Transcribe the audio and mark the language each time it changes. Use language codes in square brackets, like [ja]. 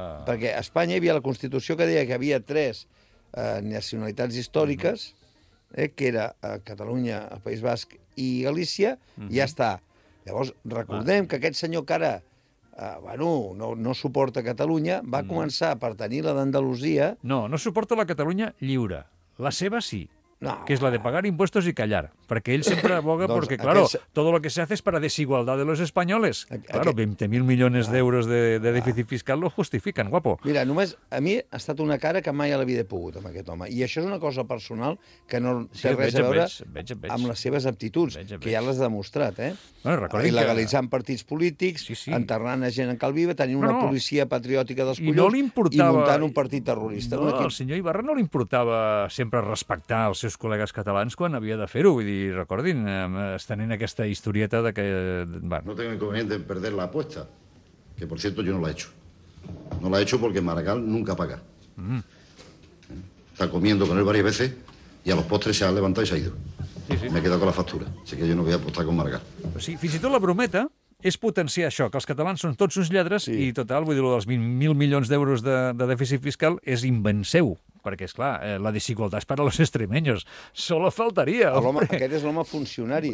[ca] Perquè a Espanya hi havia la Constitució que deia que havia tres... nacionalitats històriques, que era Catalunya, el País Basc i Galícia, i ja està. Llavors, recordem que aquest senyor que ara no suporta Catalunya, va començar per tenir la d'Andalusia... No suporta la Catalunya lliure. La seva sí. No. [es] Que es la de pagar impuestos y callar. [ca] Perquè ell sempre aboga, perquè, [es] claro, todo lo que se hace es para desigualdad de los españoles. Claro, 20.000 millones d'euros de déficit fiscal lo justifican, guapo. [ca] Mira, només a mi ha estat una cara que mai a la vida he pogut amb aquest home. I això és una cosa personal que no té res a veure amb les seves aptituds, que ja l'has demostrat, Bueno, il·legalitzant partits polítics, enterrant a gent en calviva, tenint una policia patriòtica dels collons i muntant un partit terrorista. No, al senyor Ibarra no li importava sempre respectar els seus col·legues catalans quan havia de fer-ho. Vull dir, recordin, estenent aquesta historieta de que... [es] No tengo inconveniente en perder la apuesta, que, por cierto, yo no la he hecho. No la he hecho porque Maragall nunca paga. Mm. Está comiendo con él varias veces y a los postres se ha levantado y se ha ido. Sí, sí. Me he quedado con la factura. Así que yo no voy a apostar con Maragall. [ca] O sigui, fins i tot la brometa és potenciar això, que els catalans són tots uns lladres, sí. I total, vull dir, lo dels 20.000 milions d'euros de dèficit fiscal és invenceu. Perquè, és clar, la desigualtat és per a [es] los extremeños. Solo faltaria. [ca] Aquest és l'home funcionari.